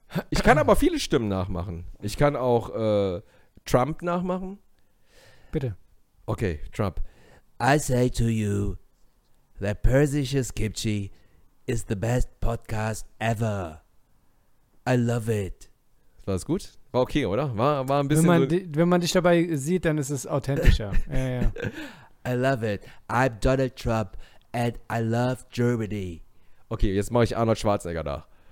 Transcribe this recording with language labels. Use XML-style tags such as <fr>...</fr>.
<de>Ich kann aber viele Stimmen nachmachen. Ich kann auch Trump nachmachen. Bitte. Okay, Trump.</de> <en>I say to you that Persisches Kimchi is the best podcast ever. I love it.</en> <de>War es gut? War okay, oder? War ein Wenn man bisschen dich dabei sieht, dann ist es authentischer. Ja.</de> <en>I love it. I'm Donald Trump and I love Germany.</en> <de>Okay, jetzt mache ich Arnold Schwarzenegger da.</de>